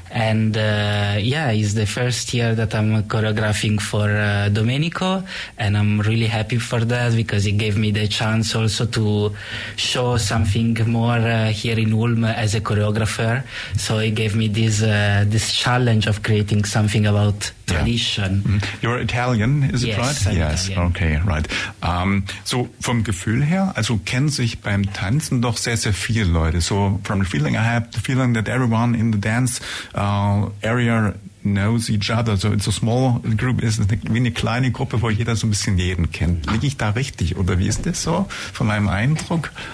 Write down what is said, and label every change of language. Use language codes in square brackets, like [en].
[en] And yeah, it's the first year that I'm choreographing for Domenico, and I'm really happy for that because it gave me the chance also to show something more here in Ulm as a choreographer. So it gave me this challenge of creating something about tradition. Yeah. Mm-hmm. You're Italian, is it right? Yes, Italian. Okay, right. [de] So vom Gefühl her, also kennen sich beim Tanzen doch sehr, sehr viele Leute. [en] So from the feeling I have, the feeling that everyone in the dance area knows each other. So it's a small group, [de] ist wie eine kleine Gruppe, wo jeder so ein bisschen jeden kennt. Liege ich da richtig oder wie ist das so von meinem Eindruck?